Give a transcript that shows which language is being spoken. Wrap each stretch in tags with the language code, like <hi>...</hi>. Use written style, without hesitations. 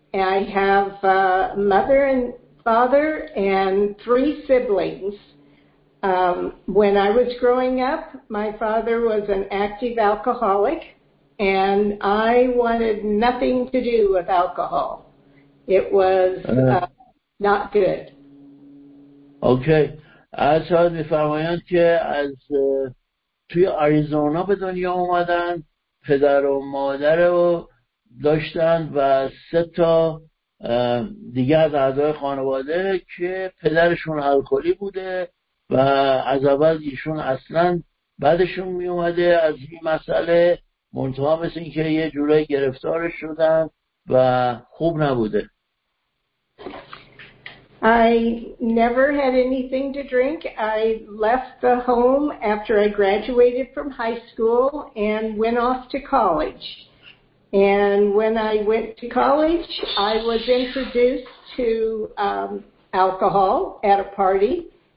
<en>I have a mother and father and three siblings. When I was growing up, my father was an active alcoholic, and I wanted nothing to do with alcohol. It was not good. Okay.</en> <fa>ارشاد می‌فرمایند که از توی آریزونا به دنیا اومدن، پدر و مادر رو داشتن و سه تا دیگه از اعضای خانواده که پدرشون الکلی بوده و از اول ایشون اصلا بعدشون می اومده از این مسئله، منتها مثل این که یه جورای گرفتار شدن و خوب نبوده.</fa> <en>I never had anything to drink. I left the home after I graduated from high school and went off to college. And when I went to college, I was introduced to alcohol at a party.</en>